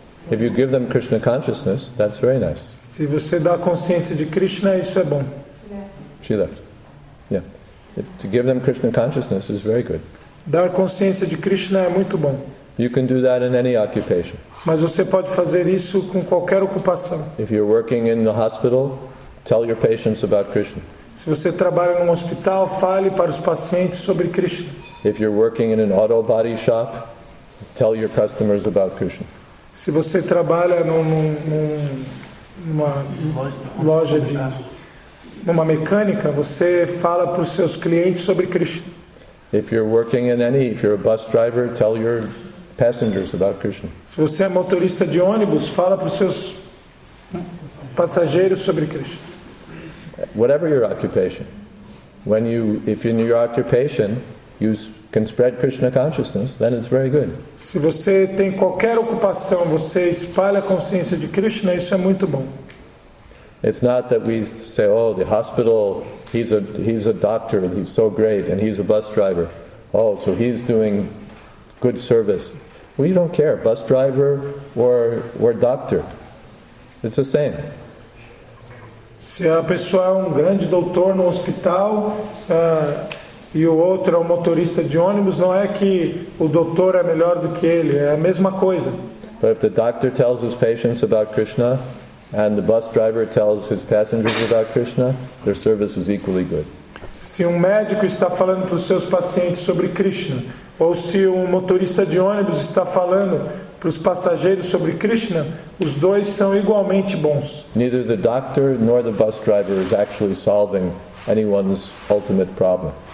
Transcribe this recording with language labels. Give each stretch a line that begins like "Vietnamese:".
English: If you give them Krishna consciousness, that's very nice.
Portuguese: Se você dá consciência de Krishna, isso é bom.
English: She left. Yeah. To give them Krishna consciousness is very good.
Portuguese: Dar consciência de Krishna é muito bom.
English: You can do that in any occupation.
Portuguese: Mas você pode fazer isso com qualquer ocupação.
English: If you're working in the hospital, tell your patients about Krishna.
Portuguese: Se você trabalha num hospital, fale para os pacientes sobre Krishna.
English: If you're working in an auto body shop, tell your customers about Krishna.
Portuguese: Se você trabalha numa loja de numa mecânica, você fala para os seus clientes sobre Krishna.
English: If you're working in any, if you're a bus driver, tell your passengers about Krishna.
Portuguese: Se você é motorista de ônibus, fala para os seus passageiros sobre Krishna.
English: Whatever your occupation, if in your occupation you can spread Krishna consciousness, then it's very good.
Portuguese: Se você tem qualquer ocupação, você espalha a consciência de Krishna, isso é muito bom.
English: It's not that we say, oh, the hospital, he's a doctor, and he's so great, and he's a bus driver. Oh, so he's doing good service. We don't care, bus driver or doctor. It's the same.
Portuguese: Se a pessoa é grande doutor no hospital, e o outro é o motorista de ônibus, não é que o doutor é melhor do que ele, é a mesma coisa.
English: But if the doctor tells his patients about Krishna, and the bus driver tells his passengers about Krishna, their service is equally good.
Portuguese: Se um médico está falando para os seus pacientes sobre Krishna, Ou se um motorista de ônibus está falando para os passageiros sobre Krishna, os dois são igualmente bons.
English: Neither the doctor nor the bus driver is actually solving anyone's ultimate problem.